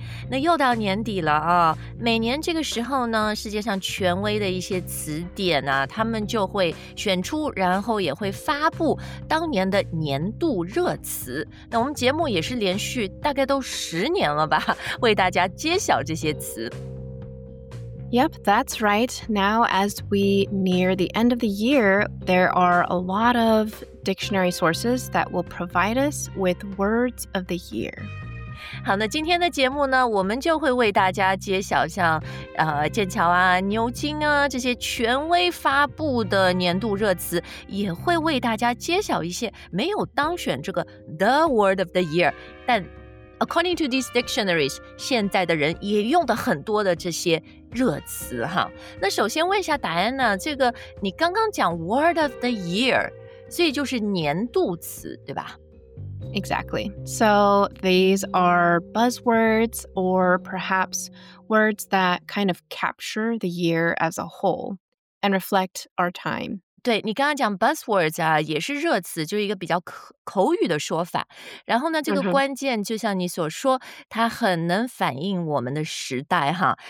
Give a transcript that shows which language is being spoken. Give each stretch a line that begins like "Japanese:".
Chinese: 那又到年底了啊，每年这个时候呢，世界上权威的一些词典啊，他们就会选出，然后也会发布当年的年度热词。那我们节目也是连续大概都十年了吧，为大家揭晓这些词。
English: Yep, that's right. Now, as we near the end of the year, there are a lot of dictionary sources that will provide us with words of the year.
Chinese: 好，那今天的节目呢，我们就会为大家揭晓像剑桥啊、牛津啊这些权威发布的年度热词，也会为大家揭晓一些没有当选这个 the word of the year， 但
English: According to these dictionaries,
Chinese: 现在的人也用的很多的这些热词哈。那首先问一下达安娜，这个你刚刚讲 word of the year, 所以就是年度词，对吧？
English: Exactly. So these are buzzwords or perhaps words that kind of capture the year as a whole and reflect our time.
Chinese: 对，你刚刚讲 buzzwords 啊，也是热词，就是一个比较口语的说法。然后呢，这个关键就像你所说，它很能反映我们的时代哈。